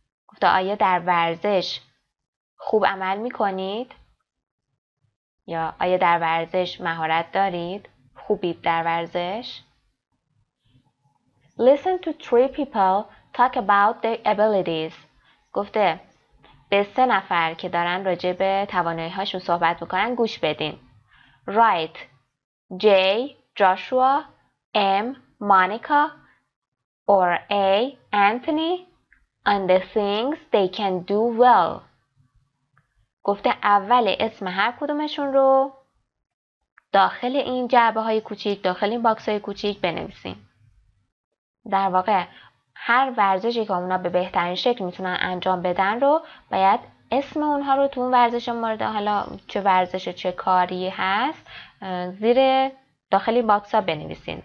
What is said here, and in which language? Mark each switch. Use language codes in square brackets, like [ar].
[fa] گفته آیا در ورزش خوب عمل می کنید؟ یا آیا در ورزش مهارت دارید؟ خوبید در ورزش؟ [en] Listen to three people talk about their abilities. [fa] گفته به سه نفر که دارن راجع به توانایی هاشون صحبت میکنن گوش بدین. [en] Write J, Joshua, M, Monica, or A, Anthony, on the things they can do well. [fa] گفته اول اسم هر کدومشون رو داخل این جعبه های کوچیک، داخل این باکس های کوچیک بنویسین. در واقع هر ورزشی که اونا به بهترین شکل میتونن انجام بدن رو باید اسم اونها رو تو اون ورزش مورد حالا چه ورزش چه کاری هست زیر داخلی باکس ها بنویسین.